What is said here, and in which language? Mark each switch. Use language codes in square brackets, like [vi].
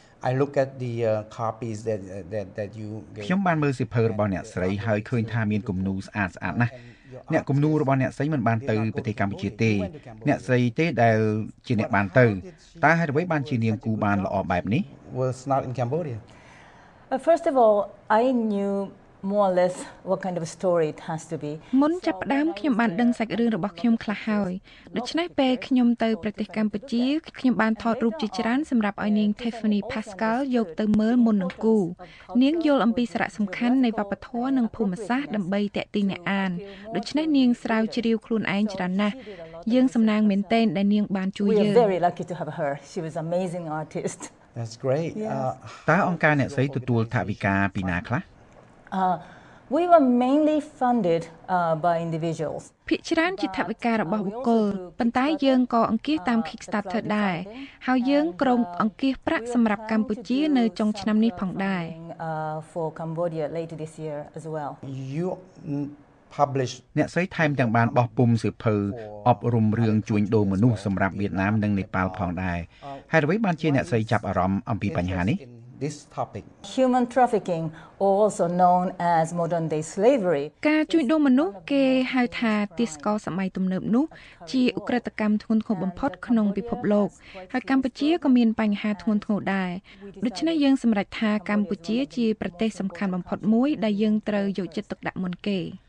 [en] I look at the copies that you [km] ខ្ញុំបានមើលសិភើរបស់អ្នកស្រីហើយឃើញថាមានគំនូរស្អាតស្អាតណាស់អ្នកគំនូររបស់អ្នកស្រីមិនបានទៅប្រទេសកម្ពុជាទេអ្នកស្រីទេដែលជាអ្នកបានទៅតើហេតុអ្វីបានជានាងគូបានល្អបែបនេះ [en] Was not in Cambodia First of all I knewmore or less what kind of a story it has to be [km] មុនចាប់ផ្ដើមខ្ញុំបានដឹងសាច់រឿងរបស់ខ្ញុំខ្លះហើយដូច្នេះពេលខ្ញុំទៅប្រទេសកម្ពុជាខ្ញុំបានថតរូបជាច្រើនសម្រាប់ឲ្យនាង Tiffany Pascal យកទៅមើលមុននឹងគូនាងយល់អំពីសារៈសំខាន់នៃវប្បធម៌និងភូមិសាស្ត្រដើម្បីតេទីអ្នកអានដូច្នេះនាងស្រាវជ្រាវខ្លួនឯងច្រើនណាស់យើងសំណាងមែនទែនដែលនាងបានជួយយើង [en] We are very lucky to have her she was an amazing artist That's great [km] តើអង្គការអ្នកស្រីទទួលថវិកាពីណាខ្លះ Uh, [en] We were mainly funded by individuals. [km] ភាគច្រើនជាថវិការបស់បុគ្គលប៉ុន្តែយើងក៏អង្គាសតាម Kickstarter ដែរហើយយើងក្រុមអង្គាសប្រាក់សម្រាប់កម្ពុជានៅចុងឆ្នាំនេះផងដែរ [en] For Cambodia later this year as well. You published [km] អ្នកស្រីថែមទាំងបានបោះពុំសៀវភៅអប់រំរឿងជួញដូរមនុស្សសម្រាប់វៀតណាមនិងនេប៉ាល់ផងដែរហើយអ្វីបានជាអ្នកស្រីចាប់អារម្មណ៍អំពីបញ្ហានេះ [en] This topic human trafficking also known as modern day slavery [km] ការជួញដូរមនុស្សគេហៅថាទាសករសម័យទំនើបនោះជាឧក្រិដ្ឋកម្មធ្ងន់ធ្ងរបំផុតក្នុងពិភពលោកហើយកម្ពុជាក៏មានបញ្ហាធ្ងន់ធ្ងរដែរដូច្នេះយើងសម្រេចថាកម្ពុជាជាប្រទេសសំខាន់បំផុតមួយដែលយើងត្រូវយកចិត្តទុកដាក់មុនគេ